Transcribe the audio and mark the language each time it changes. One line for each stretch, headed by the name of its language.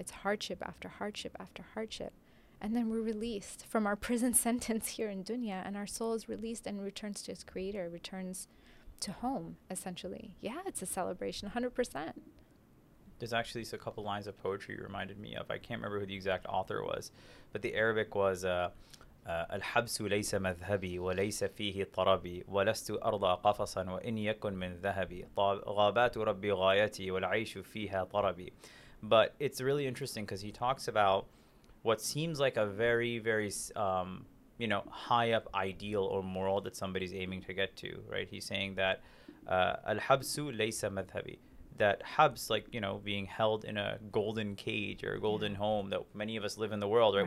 English: It's hardship after hardship after hardship. And then we're released from our prison sentence here in dunya, and our soul is released and returns to its creator, returns to home, essentially. Yeah, it's a celebration, 100%. There's actually a couple lines of poetry you reminded me of. I can't remember who the exact author was, but the Arabic was...
Arabic: الحبس ليس مذهبي وليس فيه طربي ولست أرضى قفصا وإن يكن من ذهبي غابات ربي غايتي والعيش فيها طربي.
English: But it's really interesting because he talks about what seems like a very, very, you know, high up ideal or moral that somebody's aiming to get to, right? He's saying that
Arabic: الحبس ليس مذهبي,
English: that habs, like, you know, being held in a golden cage or a golden home that many of us live in the world, right?